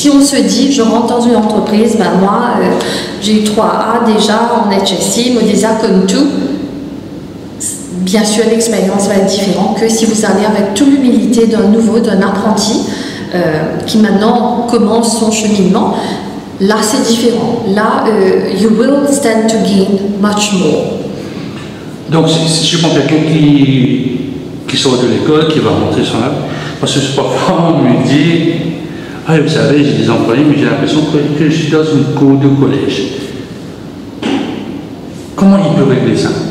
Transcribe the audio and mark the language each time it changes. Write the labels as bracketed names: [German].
[French] Si on se dit, je rentre dans une entreprise, ben moi, j'ai eu 3A déjà en HSI, Modesa, comme tout, bien sûr, l'expérience va être différente que si vous allez avec toute l'humilité d'un apprenti qui maintenant commence son cheminement. Là, c'est différent. [English] Là, you will stand to gain much more. [French] Donc, si je prends quelqu'un qui sort de l'école, qui va rentrer sur la... Parce que parfois, on lui dit, « Ah, vous savez, j'ai des employés, mais j'ai l'impression que je suis dans une cour de collège. » Comment il peut régler ça?